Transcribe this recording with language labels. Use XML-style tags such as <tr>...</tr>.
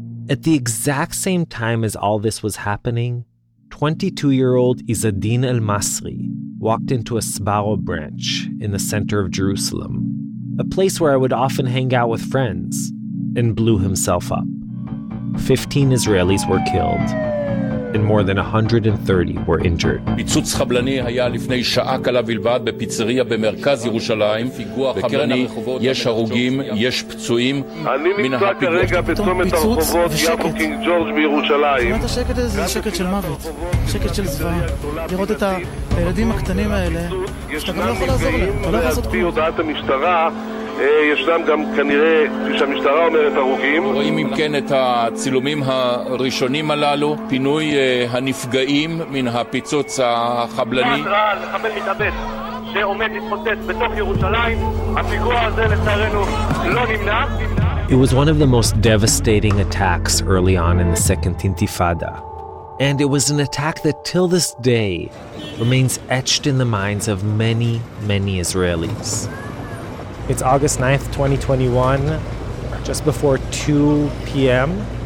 <en>At the exact same time as all this was happening, 22-year-old Izzadine El-Masri walked into a Sbarro branch in the center of Jerusalem, a place where I would often hang out with friends, and blew himself up. 15 Israelis were killed, and more than 130 were injured.</en> <he>פיצוץ חבלני היה לפני שעה קלה בלבד בפיצריה במרכז ירושלים. בקרני יש הרוגים, יש פצועים. אני נמצא כרגע בצומת הרחובות יפו קינג ג'ורג' בירושלים. זאת אומרת, השקט הזה זה שקט של מוות, שקט של זוועה. לראות את הילדים הקטנים האלה, שאתה גם לא יכול לעזור להם, אתה לא יכול לעשות כלום. להצביע הודעת המשטרה, ישנם גם כנראה, כשהמשטרה אומרת, הרוגים. רואים אם כן את הצילומים הראשונים הללו, פינוי הנפגעים מן הפיצוץ החבלני. מה התראה לחבל מתאבד שעומד להתפוצץ בתוך ירושלים? הפיגוע הזה לצערנו לא נמנע.</he> <en>It was one of the most devastating attacks early on in the Second Intifada. And it was an attack that till this day remains etched in the minds of many, many Israelis. It's August 9th, 2021, just before 2 p.m.</en>